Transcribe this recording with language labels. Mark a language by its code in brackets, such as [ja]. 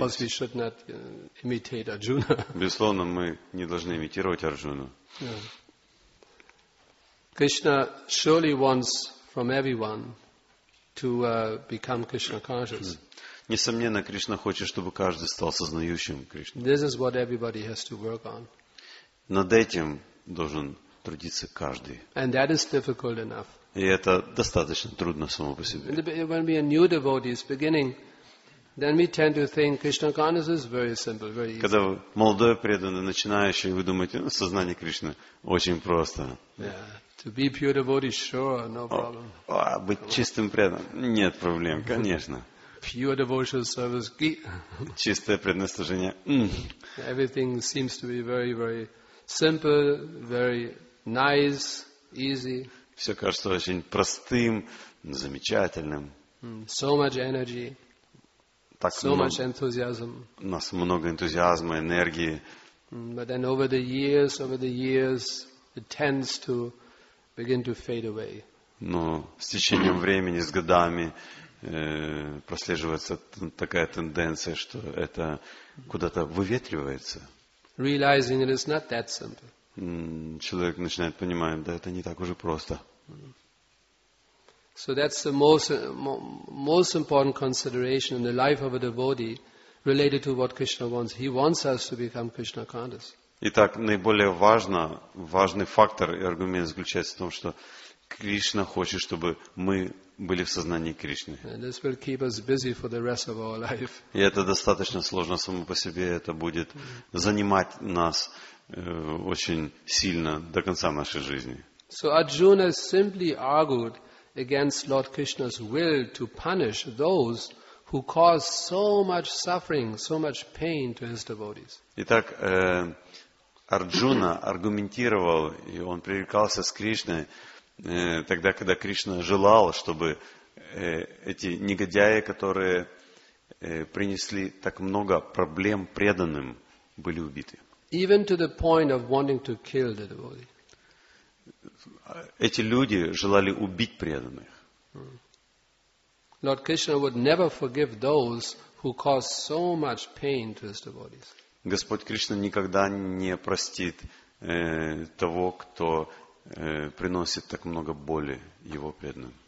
[en] Plus we should not imitate Arjuna. [ru] Безусловно, мы не должны имитировать Арджуну. [en] Yeah. Krishna surely wants from everyone to become Krishna conscious. [ru] Несомненно, Кришна хочет, чтобы каждый стал сознающим Кришну. [en] This is what everybody has to work on. [ru] Над этим должен трудиться каждый. [en] And that is difficult enough. [ru] И это достаточно трудно само по себе. [en] When we are new devotees beginning, then we tend to think Krishna consciousness is very simple, very easy. [ru] Когда молодой преданный начинающий, вы думаете, ну, сознание Кришны очень просто. [en] Yeah. To be pure devotee, sure, no problem. [ru] Быть чистым преданным, нет проблем, конечно. [en] Pure devotional service. [ru] Чистое предназначение. [en] Everything seems to be very, very simple, very nice, easy. [ru] Все кажется очень простым, замечательным. [en] So much energy. [ru] Так [en] so much enthusiasm. [ru] У нас много энтузиазма, энергии. [en] But then over the years, it tends to begin to fade away. [ru] Но с течением времени, с годами прослеживается такая тенденция, что это куда-то выветривается. [en] Realizing it is not that simple. [ru] Человек начинает понимать, да, это не так уже просто. [en] So that's the most important consideration in the life of a devotee related to what Krishna wants. He wants us to become Krishna conscious. [ru] Итак, наиболее важный фактор и аргумент заключается в том, что Кришна хочет, чтобы мы были в сознании Кришны. [en] And this will keep us busy for the rest of our life. [ru] И это достаточно сложно само по себе, это будет занимать нас очень сильно до конца нашей жизни. [en] So Arjuna simply argued against Lord Krishna's will to punish those who cause so much suffering, so much pain to his devotees. [ru] Итак, Арджуна аргументировал, и он пререкался с Кришной, тогда, когда Кришна желал, чтобы эти негодяи, которые принесли так много проблем преданным, были убиты. [en] Even to the point of wanting to kill the devotee. [ru] Эти люди желали убить преданных. [en] Lord Krishna would never forgive those who caused so much pain to his devotees. [ru] Господь Кришна никогда не простит того, кто приносит так много боли его преданным.